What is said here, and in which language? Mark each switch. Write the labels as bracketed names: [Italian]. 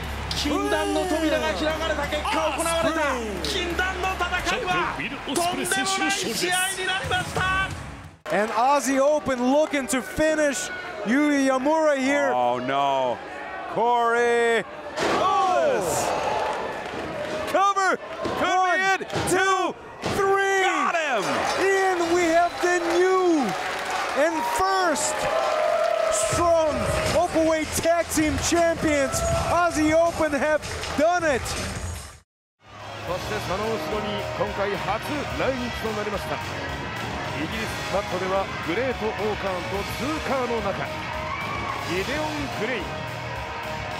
[Japanese] 禁断の扉が開かれた結果行われた禁断の戦いはとんでもない試合になりました。 [English] And Aussie Open looking to finish Yui Yamura here. Oh no, Corey Lewis, cover, cover in, two, three, got him, and we have the new and first strong Openweight Tag Team Champions, Aussie Open have done it! [Japanese] そしてその後ろに今回初来日となりました、イギリスマットではグレート・オーカーンとツーカーの中、ギデオン・グレイ、自らタッチして出てきましたよ、